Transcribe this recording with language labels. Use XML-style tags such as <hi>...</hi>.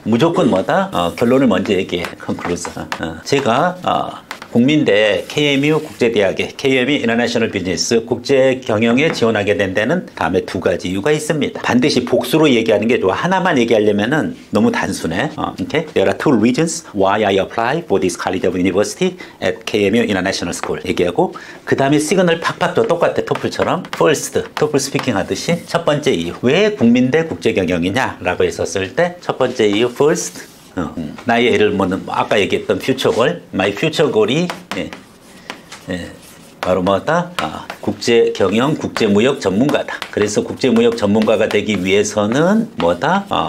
<ko>무조건 뭐다? 결론을 먼저 얘기해. 컨클루저. 제가 국민대 KMU 국제대학에 KMU 인터내셔널 비즈니스 국제경영에 지원하게 된 데는 다음에 두 가지 이유가 있습니다. 반드시 복수로 얘기하는 게 좋아. 하나만 얘기하려면은 너무 단순해.</ko> <en>Okay? There are two reasons why I apply for this college of university at KMU International School</en> <ko>얘기하고 그 다음에 시그널 팍팍 줘. 똑같아. 토플처럼. First, 토플 스피킹 하듯이 첫 번째 이유. 왜 국민대 국제경영이냐? 라고 했었을 때 첫 번째 이유.</ko> <en>First.</en> <ko>나의 예를 뭐는 아까 얘기했던 퓨처 골, 마이 퓨처 골이 바로 뭐다? 국제 경영, 국제 무역 전문가다. 그래서 국제 무역 전문가가 되기 위해서는 뭐다?</ko>